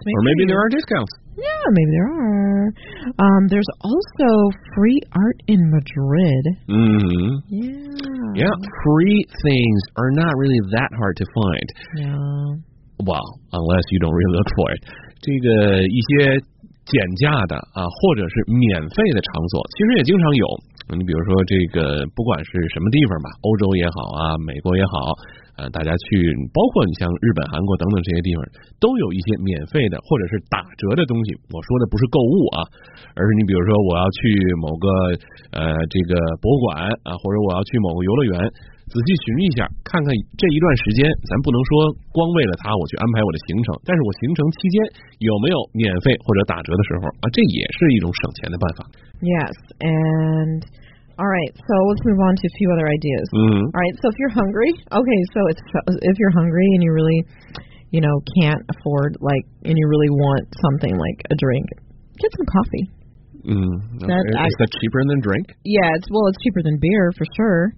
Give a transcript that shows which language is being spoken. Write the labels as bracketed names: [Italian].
[English] Maybe, or maybe there are discounts. Yeah, maybe there are. There's also free art in Madrid. Mm-hmm. Yeah. Yeah, free things are not really that hard to find. Yeah. Well, unless you don't really look for it. [Chinese] 这个一些减价的啊，或者是免费的场所，其实也经常有。你比如说这个，不管是什么地方吧，欧洲也好啊，美国也好，大家去，包括你像日本、韩国等等这些地方，都有一些免费的或者是打折的东西。我说的不是购物啊，而是你比如说我要去某个这个博物馆啊，或者我要去某个游乐园，仔细寻一下，看看这一段时间，咱不能说光为了它我去安排我的行程，但是我行程期间有没有免费或者打折的时候啊，这也是一种省钱的办法。 [English] Yes, and all right, so let's move on to a few other ideas. Mm-hmm. All right, so if you're hungry, okay, so if you're hungry and you really, you know, can't afford, like, and you really want something like a drink, get some coffee. Is that cheaper than drink? Yeah, it's cheaper than beer, for sure.